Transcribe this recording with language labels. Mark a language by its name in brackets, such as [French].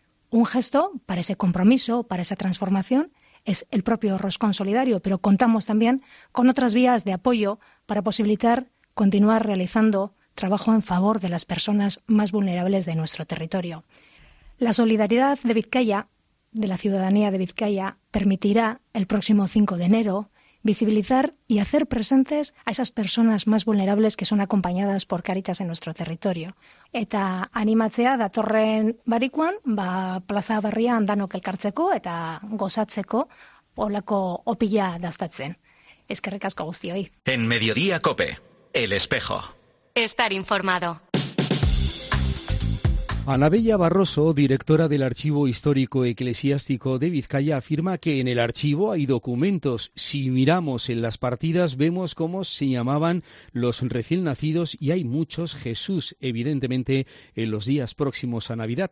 [Spanish] Un gesto para ese compromiso, para esa transformación, es el propio Roscón Solidario, pero contamos también con otras vías de apoyo para posibilitar continuar realizando trabajo en favor de las personas más vulnerables de nuestro territorio. La solidaridad de Vizcaya, de la ciudadanía de Vizcaya, permitirá el próximo 5 de enero visibilizar y hacer presentes a esas personas más vulnerables que son acompañadas por Cáritas en nuestro territorio. [Basque] Eta animatzea datorren barikuan, ba plaza berrian danok elkartzeko eta gozatzeko holako opila dastatzen. Eskerrik asko guztioi. [Spanish] En Mediodía Cope, El Espejo. Estar informado. Anabella Barroso, directora del Archivo Histórico Eclesiástico de Vizcaya, afirma que en el archivo hay documentos. Si miramos en las partidas, vemos cómo se llamaban los recién nacidos y hay muchos Jesús, evidentemente, en los días próximos a Navidad.